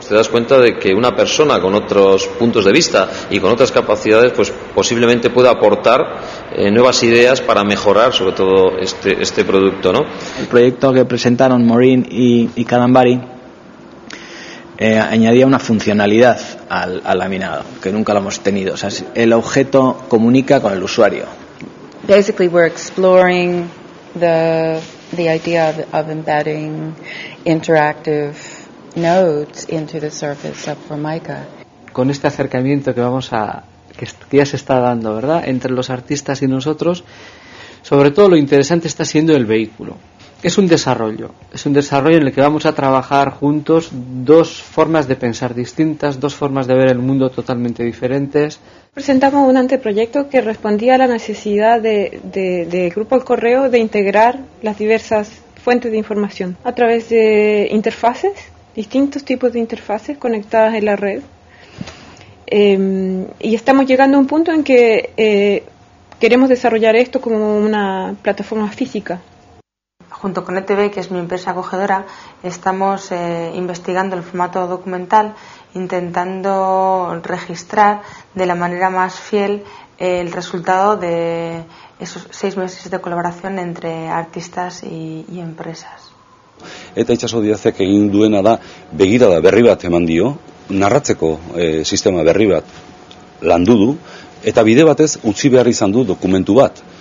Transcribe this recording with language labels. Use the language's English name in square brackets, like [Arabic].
[Spanish] Te das cuenta de que una persona con otros puntos de vista y con otras capacidades pues posiblemente pueda aportar nuevas ideas para mejorar sobre todo este producto, ¿no? El proyecto que presentaron Maureen y Calambari añadía una funcionalidad al laminado que nunca lo hemos tenido. O sea, el objeto comunica con el usuario. [English] Basically, we're exploring the idea of embedding interactive notes into the surface of Formica. [Spanish] Con este acercamiento que vamos a que ya se está dando, ¿verdad? Entre los artistas y nosotros, sobre todo lo interesante está siendo el vehículo. Es un desarrollo en el que vamos a trabajar juntos dos formas de pensar distintas, dos formas de ver el mundo totalmente diferentes. Presentamos un anteproyecto que respondía a la necesidad de Grupo El Correo de integrar las diversas fuentes de información a través de interfaces, distintos tipos de interfaces conectadas en la red. Y estamos llegando a un punto en que queremos desarrollar esto como una plataforma física. Junto con ETV, que es mi empresa acogedora, estamos investigando el formato documental, intentando registrar de la manera más fiel el resultado de esos 6 meses de colaboración entre artistas y empresas. [Basque] Eta itxaso didazek egin duena da, begirada berri bat eman dio, narratzeko sistema berri bat landu du, eta bide batez utzi behar izan du dokumentu bat.